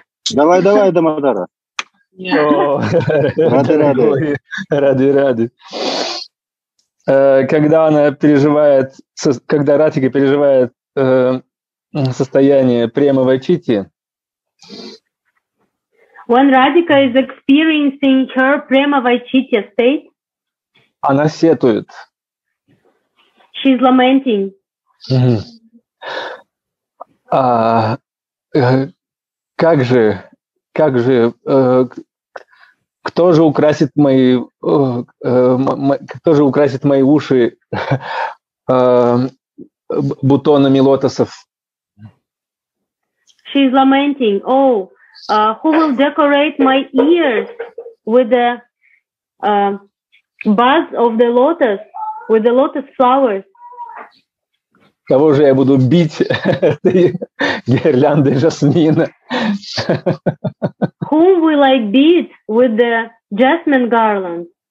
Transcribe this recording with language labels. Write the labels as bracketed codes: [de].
[ru] Давай, давай, Дамодара. Ради. Когда она переживает, когда Радхика переживает состояние премы вайчити. [en] When Radhika is experiencing her prema vaichitya state, [ru] она сетует. [en] She's lamenting. [ru] Как же, кто же украсит мои, кто же украсит мои уши бутонами лотосов? [en] She's lamenting. Oh. Who will decorate my ears with the buds of the lotus, with the lotus flowers? [ru] Кого же я буду бить гирляндой жасмина? [en] Whom will I beat with the jasmine garland?